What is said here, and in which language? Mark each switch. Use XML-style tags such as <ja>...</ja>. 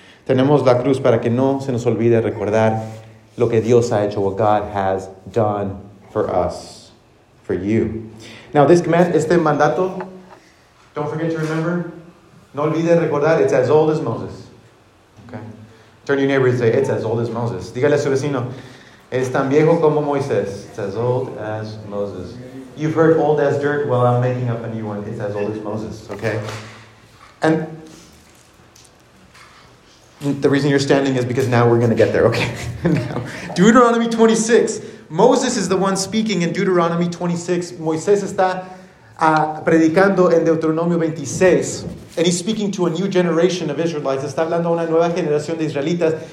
<es>Tenemos la cruz para que no se nos olvide recordar lo que Dios ha hecho,</es> <en>what God has done for us, for you. Now, this command,</en> <es>este mandato,</es> <en>don't forget to remember.</en> <es>No olvides recordar,</es> <en>it's as old as Moses. Okay. Turn to your neighbor and say, it's as old as Moses.</en> <es>Dígale a su vecino, es tan viejo como Moisés.</es> <en>It's as old as Moses. You've heard old as dirt. Well, I'm making up a new one. It's as old as Moses. Okay. And the reason you're standing is because now we're going to get there. Okay. Now, Deuteronomy 26. Moses is the one speaking in Deuteronomy 26.</en> <es>Moisés está predicando en Deuteronomio 26.</es> <en>And he's speaking to a new generation of Israelites.</en> <es>Está hablando a una nueva generación de israelitas.</es>